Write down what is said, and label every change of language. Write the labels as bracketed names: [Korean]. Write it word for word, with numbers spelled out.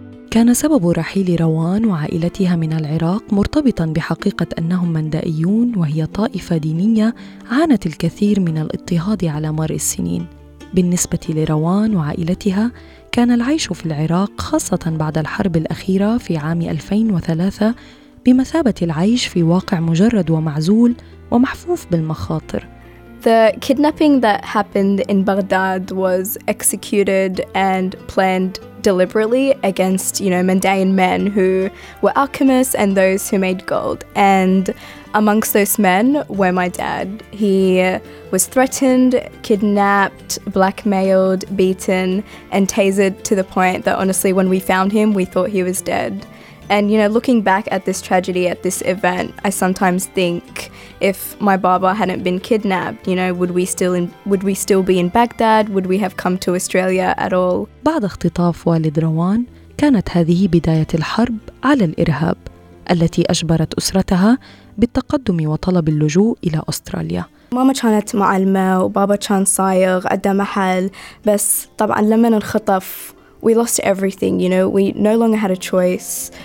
[Arabic] كان سبب رحيل روان وعائلتها من العراق مرتبطاً بحقيقة أنهم مندائيون، وهي طائفة دينية عانت الكثير من الاضطهاد على مر السنين. بالنسبة لروان وعائلتها، كان العيش في العراق خاصة بعد الحرب الأخيرة في عام ألفين وثلاثة بمثابة العيش في واقع مجرد ومعزول ومحفوف بالمخاطر. [English] The kidnapping that happened in Baghdad was executed and planned deliberately against, you know, Mandaean men who were alchemists and those who made gold. And amongst those men were my dad. He was threatened, kidnapped, blackmailed, beaten, and tasered to the point that honestly, when we found him, we thought he was dead. And, you know, looking back at this tragedy, at this event, I sometimes think if my baba hadn't been kidnapped, you know, would we still in, would we still be in Baghdad? Would we have come to Australia at all? [Arabic] بعد اختطاف والد روان، كانت هذه بداية الحرب على الإرهاب التي أجبرت أسرتها بالتقدم وطلب اللجوء إلى أستراليا. ماما كانت معلمة وبابا كان صايغ عدا محل، بس طبعاً لما انخطف [English] we lost everything, you know, we no longer had a choice.